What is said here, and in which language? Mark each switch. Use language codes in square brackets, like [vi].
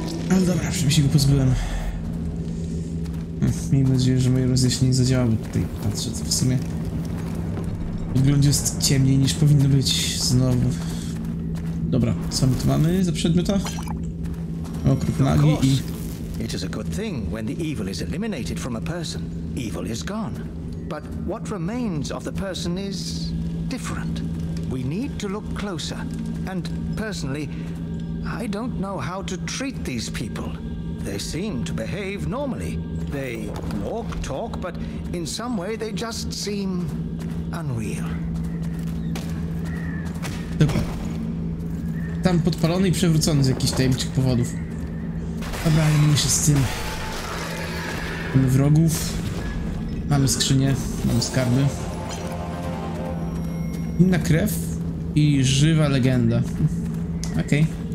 [pl] Ale dobra, przynajmniej się go pozbyłem. Miejmy nadzieję, że moje rozjaśnienie zadziałało tutaj. Patrzę, co w sumie. Wygląd jest ciemniej niż powinno być. Znowu. Dobra, co my tu mamy za przedmiotach? Okrut magii i. [en] It is a good thing when the evil is eliminated from a person. Evil is gone. But what remains of the person is different. We need to look closer. And personally. I don't know how to treat these people. They seem to behave normally. They walk, talk, but in some way they just seem unreal. [pl] Dobra. Tam podpalony i przewrócony z jakichś tajemniczych powodów. Dobra, ale mniejsza z tym. Mamy wrogów. Mamy skrzynię, mamy skarby. Inna krew i żywa legenda. Okej.